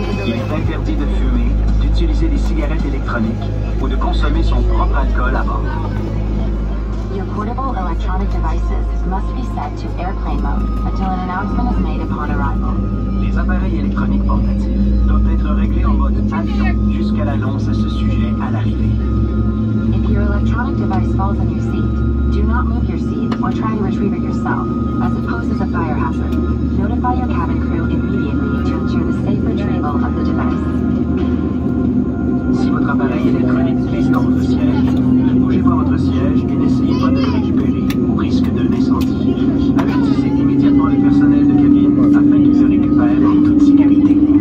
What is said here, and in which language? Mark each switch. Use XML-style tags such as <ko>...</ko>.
<fr>Il est interdit de fumer, d'utiliser des cigarettes électroniques, ou de consommer son propre alcool à bord.</fr> <en>Your portable electronic devices must be set to airplane mode until an announcement is made upon arrival.</en> <fr>Les appareils électroniques portatifs doivent être réglés en mode avion jusqu'à l'annonce à ce sujet à l'arrivée.</fr> <en>If your electronic device falls on your seat, do not move your seat or try to retrieve it yourself, as it poses a fire hazard. Notify your cabin crew immediately to ensure the safe retrieval of the device.</en> <fr>Si votre appareil électronique glisse dans votre siège, ne bougez pas votre siège et n'essayez pas de le récupérer au risque de l'incendie. Avertissez immédiatement le personnel de cabine afin qu'il le récupère en toute sécurité.</fr>